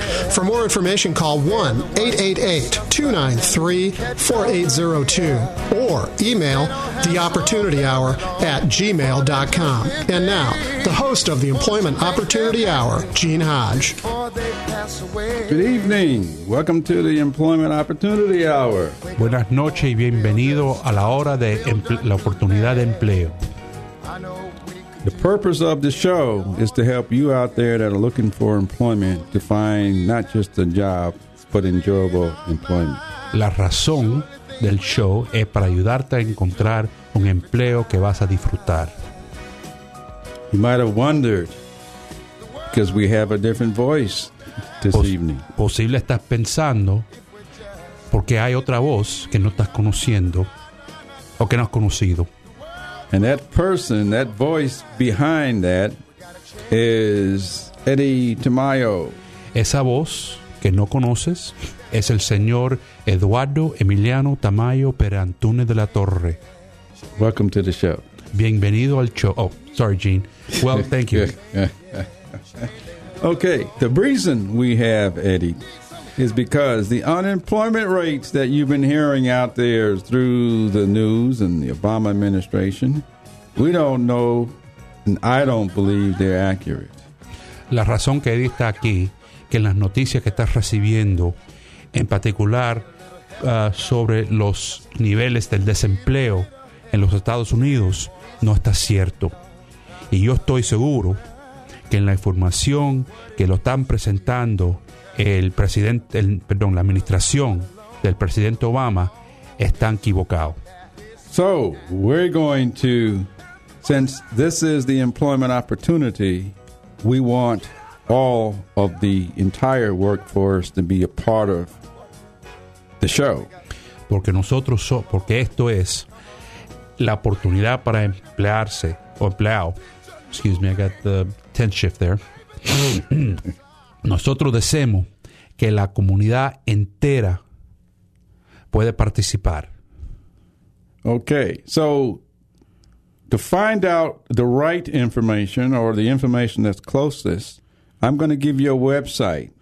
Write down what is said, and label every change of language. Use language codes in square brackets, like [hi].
[en] For more information, call 1-888-293-4802 or email theopportunityhour@gmail.com. And now, the host of the Employment Opportunity Hour, Gene Hodge. Good evening. Welcome to the Employment Opportunity Hour. [es] Buenas noches y bienvenido a la hora de la oportunidad de empleo. [en] The purpose of the show is to help you out there that are looking for employment to find not just a job, but enjoyable employment. [es] La razón del show es para ayudarte a encontrar un empleo que vas a disfrutar. [en] You might have wondered, because we have a different voice this evening. [es] Posible estás pensando, porque hay otra voz que no estás conociendo, o que no has conocido. [en] And that person, that voice behind that, is Eddie Tamayo. [es] Esa voz que no conoces es el señor Eduardo Emiliano Tamayo Perantúnez de la Torre. [en] Welcome to the show. [es] Bienvenido al show. [en] Oh, sorry, Gene. Well, thank you. Okay, the reason we have Eddie is because the unemployment rates that you've been hearing out there through the news and the Obama administration, we don't know, and I don't believe they're accurate. [es] La razón que Eddie está aquí, que en las noticias que estás recibiendo, en particular sobre los niveles del desempleo en los Estados Unidos, no está cierto. Y yo estoy seguro que en la información que lo están presentando la administración del presidente Obama, están equivocados. [en] So, we're going to, since this is the employment opportunity, we want all of the entire workforce to be a part of the show. [es] Porque nosotros, porque esto es la oportunidad para emplearse, o empleado. [en] Excuse me, I got the tense shift there. [es] Nosotros deseamos que la comunidad entera puede participar. [en] Okay, so to find out the right information or the information that's closest, I'm going to give you a website.